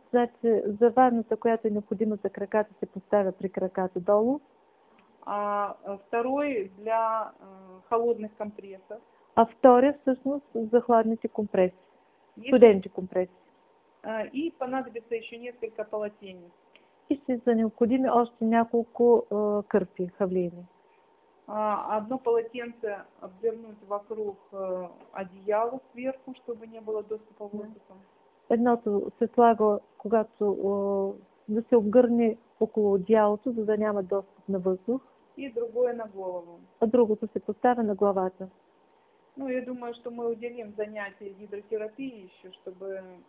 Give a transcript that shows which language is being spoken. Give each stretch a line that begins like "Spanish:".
Bulgarian: Значит, за ванната, която е необходима за краката, се поставя при краката долу.
Russian: А второй для холодных компрессов.
Bulgarian: А второй, всъщност, за хладните компреси. Студенти компреси.
Russian: И понадобится еще несколько полотенец.
Bulgarian: И ще са необходими още няколко кърпи, хавлини.
Russian: Одно полотенце обвернуть вокруг одеяла сверху, чтобы не было доступа воздуха.
Bulgarian: Едното се слага, когато да се обгърне около одеялото, за да няма достъп на въздух.
Russian: И другое на голову.
Bulgarian: А другото се поставя на главата.
Russian: Ну, я думаю, что мы уделим занятия гидротерапии еще, чтобы